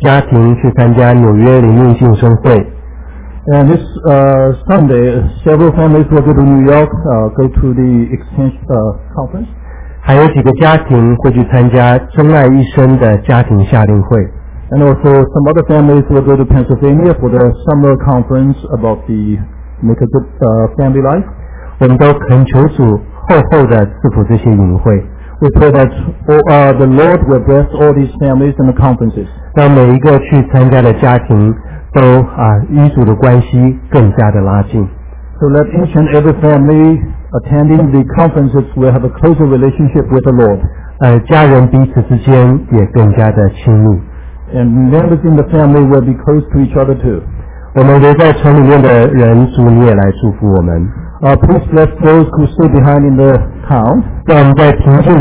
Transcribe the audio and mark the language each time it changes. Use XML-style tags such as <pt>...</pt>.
<zh>我们想到在这个礼拜也会有几个家庭去参加纽约灵命敬生会。</zh> <en>And this Sunday, several families will go to New York, go to the exchange conference.</en> <zh>还有几个家庭会去参加真爱一生的家庭夏令会。</zh> <en>And also some other families will go to Pennsylvania for the summer conference about the make a good family life.</en> <zh>我们都恳求主厚厚的赐福这些营会。</zh> <en>We pray that the Lord will bless all these families and the conferences.</en> <zh>让每一个去参加的家庭 都与主的关系更加的拉近。</zh> <en>So let each and every family attending the conferences will have a closer relationship with the Lord.</en> <zh>家人彼此之间也更加的亲密。</zh> <en>And members in the family will be close to each other too.</en> <zh>我们留在城里面的人，主你也来祝福我们。</zh> <en>Please bless those who stay behind in the town.</en>